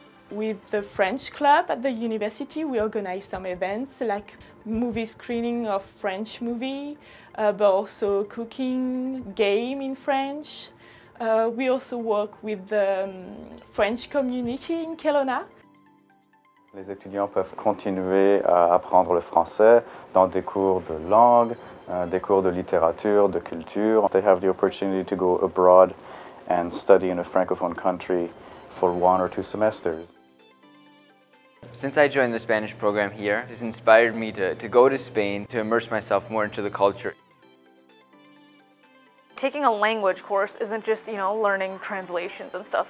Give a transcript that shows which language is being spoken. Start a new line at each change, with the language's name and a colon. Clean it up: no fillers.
English: With the French club at the university, we organize some events like movie screening of French movie, but also cooking, game in French. We also work with the French community in Kelowna.
French: Les étudiants peuvent continuer à apprendre le français dans des cours de langue, des cours de littérature, de culture.
English: They have the opportunity to go abroad and study in a francophone country for one or two semesters. Since I joined the Spanish program here, it's inspired me to go to Spain to immerse myself more into the culture. Taking a language course isn't just, learning translations and stuff.